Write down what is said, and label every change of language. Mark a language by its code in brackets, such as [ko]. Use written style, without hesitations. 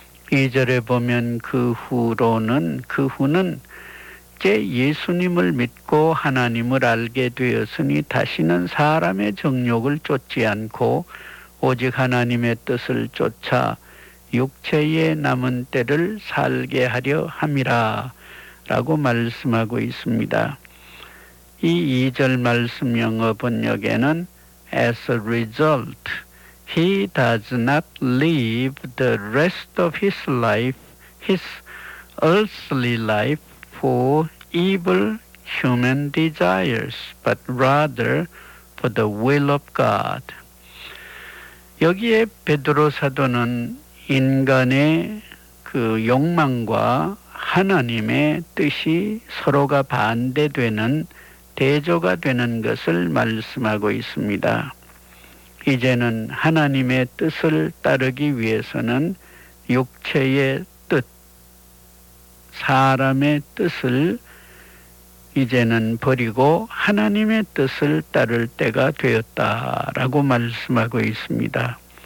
[ko] 2절에 보면 그 후는 이제 예수님을 믿고 하나님을 알게 되었으니 다시는 사람의 정욕을 쫓지 않고 오직 하나님의 뜻을 쫓아 육체의 남은 때를 살게 하려 함이라 라고 말씀하고 있습니다. 이 2절 말씀 영어 번역에는 [en] As a result, he does not live the rest of his life, his earthly life, for evil human desires, but rather for the will of God. [ko] 여기에 베드로 사도는 인간의 그 욕망과 하나님의 뜻이 서로가 반대되는 대조가 되는 것을 말씀하고 있습니다. 이제는 하나님의 뜻을 따르기 위해서는 육체의 뜻, 사람의 뜻을 이제는 버리고 하나님의 뜻을 따를 때가 되었다라고 말씀하고 있습니다.